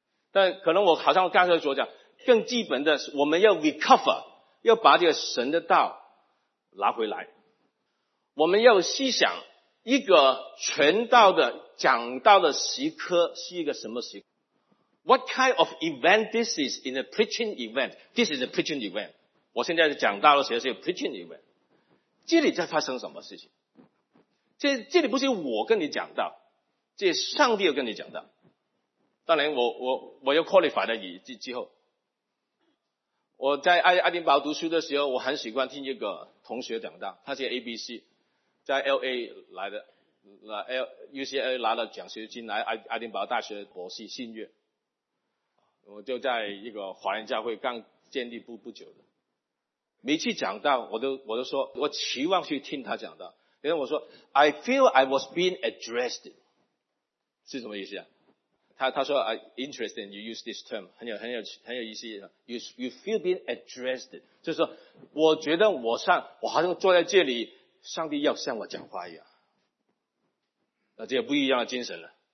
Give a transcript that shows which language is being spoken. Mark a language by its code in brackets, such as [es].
[zh] 但可能我好像刚才所讲，更基本的是我们要 recover， 要把这个神的道拿回来。我们要思想一个传道的讲道的时刻是一个什么时刻。 [en] What kind of event this is in a preaching event? This is a preaching event. [zh] 我现在讲道的时候是 [en] preaching event。 [zh] 这里在发生什么事情？这里不是我跟你讲道，这是上帝要跟你讲道。当然我要 qualify 的之后。我在爱丁堡读书的时候，我很喜欢听一个同学讲道，他是 ABC， 在 LA 来的，来 UCLA 拿了奖学金来爱丁堡大学博士信约。我就在一个华人教会刚建立不久的。每次讲道我都说我期望去听他讲道。 [en] 因为我说 ,I feel I was being addressed。 [zh] 是什么意思啊？他说 [en] interesting you use this term， [zh] 很有意思， [en] you feel being addressed， [zh] 就是说我觉得我好像坐在这里，上帝要向我讲话一样。那这个不一样的精神了。